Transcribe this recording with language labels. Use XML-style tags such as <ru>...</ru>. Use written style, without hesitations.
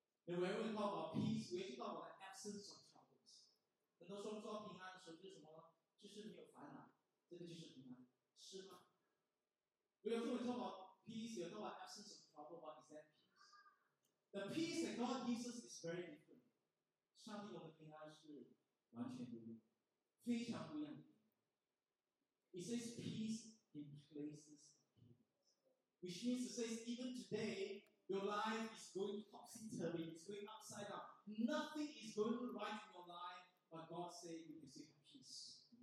<en>And whenever we talk about peace, we actually talk about the absence of troubles.</en> <zh>很多时候说平安的时候就是什么呢？就是没有烦恼，这个就是平安，是吗？</zh> <en>We are talking about peace, we are talking about absence of trouble, but is that peace? The peace that God gives us is very different.</en> <zh>上帝给我们的平安是完全不一样，非常不一样的平安。</zh> <en>It says peace in places of peace. Which means to say, even today, your life is going topsy-turvy, it's going upside down. Nothing is going right in your life, but God says, you can have peace.</en>